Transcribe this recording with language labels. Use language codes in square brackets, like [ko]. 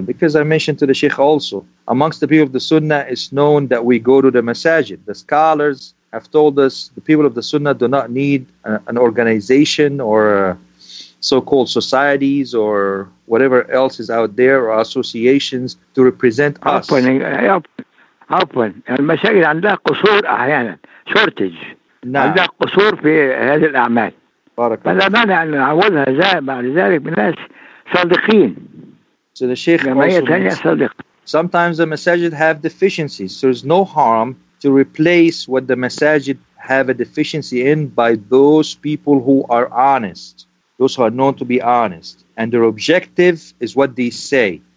[en] Because I mentioned to the sheikh also, amongst the people of the Sunnah, it's known that we go to the masajid. The scholars have told us the people of the Sunnah do not need an organization or so-called societies or whatever else is out there or associations to represent us. Open. [ar] المساجد عندها قصور أحيانا. [en] Shortage. [ar] نعم. عندها قصور في هذه الأعمال. بارك الله. فلا مانع أن نعوضها بعد ذلك بناس صادقين. [en] So the Sheikh also sometimes the masajid have deficiencies. So there's no harm to replace what the masajid have a deficiency in by those people who are honest. Those who are known to be honest. And their objective is what they say.